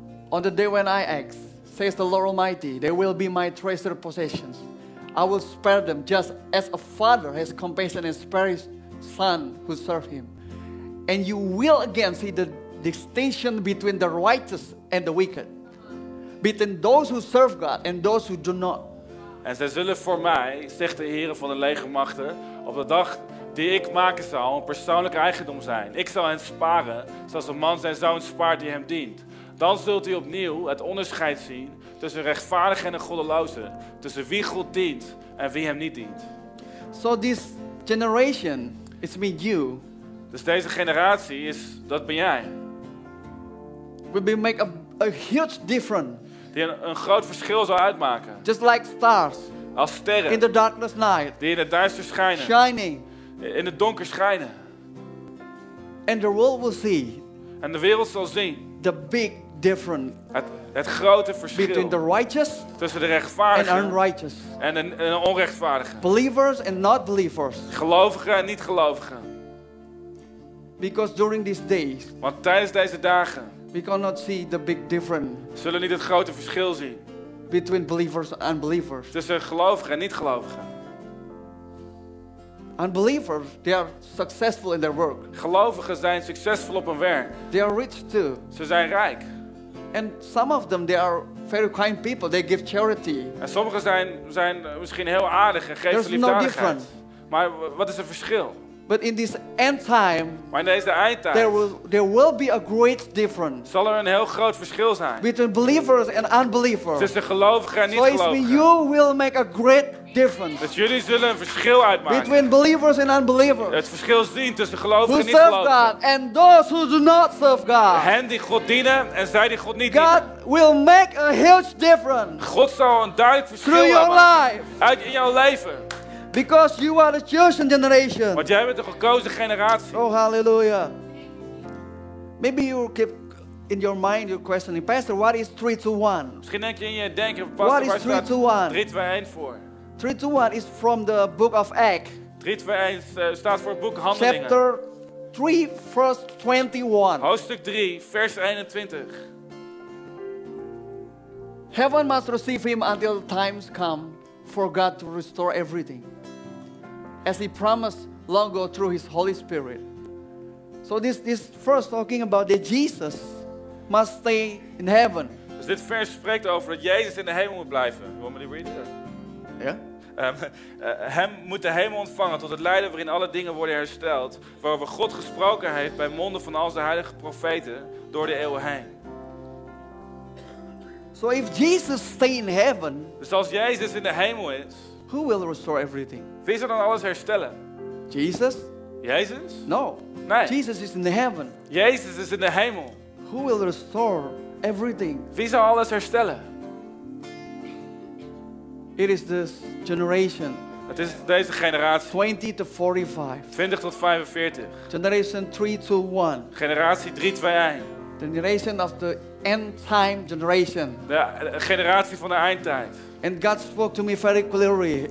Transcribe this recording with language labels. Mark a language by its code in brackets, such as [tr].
[en] On the day when I ask, says the Lord Almighty, they will be my treasured possessions. I will spare them just as a father has compassion and spares his son who serve him. And you will again see the distinction between the righteous and the wicked. Between those who serve God and those who do not. [nl] En zij zullen voor mij, zegt de Heere van de legermachten, op de dag die ik maken zal, een persoonlijk eigendom zijn. Ik zal hen sparen, zoals een man zijn zoon spaart die hem dient. Dan zult u opnieuw het onderscheid zien tussen een rechtvaardig en een goddeloze. Tussen wie God dient en wie hem niet dient. [en] So this generation, it's me, you. [nl] Dus deze generatie is, dat ben jij. [en] We'll be make a huge difference. [nl] Die een groot verschil zal uitmaken. [en] Just like stars. [nl] Als sterren. [en] In the darkness night. [nl] Die in het duister schijnen. [en] Shining. [nl] In het donker schijnen. [en] And the world will see. [nl] En de wereld zal zien. [en] The big difference. [nl] Het grote verschil. [en] Between the righteous. [nl] Tussen de rechtvaardigen. [en] And unrighteous. [nl] En de onrechtvaardigen. [en] Believers and not believers. [nl] Gelovigen en niet gelovigen. [en] Because during these days. [nl] Want tijdens deze dagen. [en] We cannot see the big difference. [nl] Zullen niet het grote verschil zien. [en] Between believers and unbelievers. [nl] Tussen gelovigen en niet gelovigen. [en] Unbelievers, they are successful in their work. [nl] Gelovigen zijn succesvol op hun werk. [en] They are rich too. [nl] Ze zijn rijk. [en] And some of them, they are very kind people. They give charity. [nl] En sommigen zijn misschien heel aardig en geven liefdadigheid. [en] There's no difference. [nl] Maar wat is het verschil? [en] But in this end time, [nl] maar in deze eindtijd, [en] there will be a great difference. [nl] Zal er een heel groot verschil zijn. [en] Between believers and unbelievers. [nl] Tussen gelovigen en niet gelovigen. [en] So it's me, you will make a great difference. [nl] Dus jullie zullen een verschil uitmaken. [en] Between believers and unbelievers. [nl] Het verschil zien tussen gelovigen [en] who [nl] en niet gelovigen. [en] Serve God and those who do not serve God. [nl] Hen die God dienen en zij die God niet God dienen. [en] God will make a huge difference. [nl] God zal een duidelijk verschil [en] through your [nl] uitmaken. [en] Life. [nl] Uit in jouw leven. [en] Because you are the chosen generation. [nl] Want jij bent de gekozen generatie. [en] Oh, hallelujah. Maybe you keep in your mind your questioning. Pastor, what is 3-2-1? [nl] Misschien denk je in je denken, Pastor, [en] what is [nl] 3-2-1? 3-2-1 voor. [en] 3-2-1 is from the book of Acts. [nl] 3-2-1 staat voor het boek Handelingen. [en] Chapter 3, verse 21. [nl] Hoofdstuk 3, vers 21. [en] Heaven must receive him until the times come. For God to restore everything as he promised long ago through his Holy Spirit. So this verse talking about that Jesus must stay in heaven. [nl] Dus dit vers spreekt over dat Jezus in de hemel moet blijven. [en] You want me to read it? Yeah. [nl] Hem moet de hemel ontvangen tot het lijden waarin alle dingen worden hersteld, waarover God gesproken heeft bij monden van al zijn heilige profeten door de eeuwen heen. [en] So if Jesus stay in heaven, [nl] dus als Jezus in de hemel is, [en] who will restore everything? [nl] Wie zal dan alles herstellen? [en] Jesus? [nl] Jezus? [en] No. [nl] Nee. [en] Jesus is in the heaven. [nl] Jezus is in de hemel. [en] Who will restore everything? [nl] Wie zal alles herstellen? [en] It is this generation. [nl] Het is deze generatie. [en] 20 to 45. [nl] 20 tot 45. [en] Generation 3-2-1. [nl] Generatie 3-2-1. [en] Generation of the end time generation. [nl] De generatie van de eindtijd. [en] And God spoke to me very clearly.